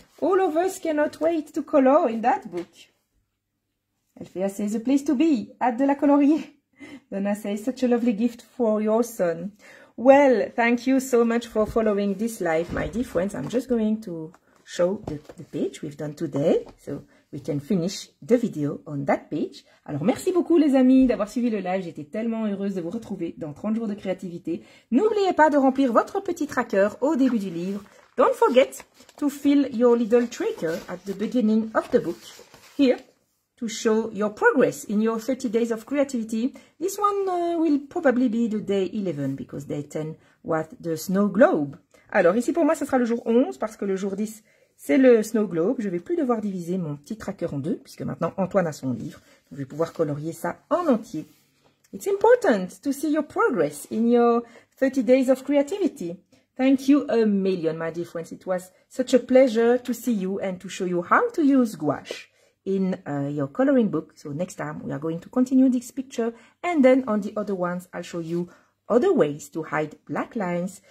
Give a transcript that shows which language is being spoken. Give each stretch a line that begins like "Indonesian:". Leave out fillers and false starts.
English: All of us cannot wait to color in that book. Elfea says, a place to be.
French: Hâte de la colorier.
English: Donna says, such a lovely gift for your son. Well, thank you so much for following this live, my dear friends. I'm just going to show the page we've done today. So we can finish the video on that page.
French: Alors, merci beaucoup, les amis, d'avoir suivi le live. J'étais tellement heureuse de vous retrouver dans 30 jours de créativité. N'oubliez pas de remplir votre petit tracker au début du livre.
English: Don't forget to fill your little tracker at the beginning of the book here to show your progress in your 30 days of creativity. This one will probably be the day 11 because day 10 was the snow globe.
French: Alors ici pour moi, ce sera le jour 11 parce que le jour 10, c'est le snow globe. Je ne vais plus devoir diviser mon petit tracker en deux puisque maintenant Antoine a son livre. Je vais pouvoir colorier ça en entier.
English: It's important to see your progress in your 30 days of creativity. Thank you a million, my dear friends. It was such a pleasure to see you and to show you how to use gouache in your coloring book. So next time we are going to continue this picture and then on the other ones, I'll show you other ways to hide black lines.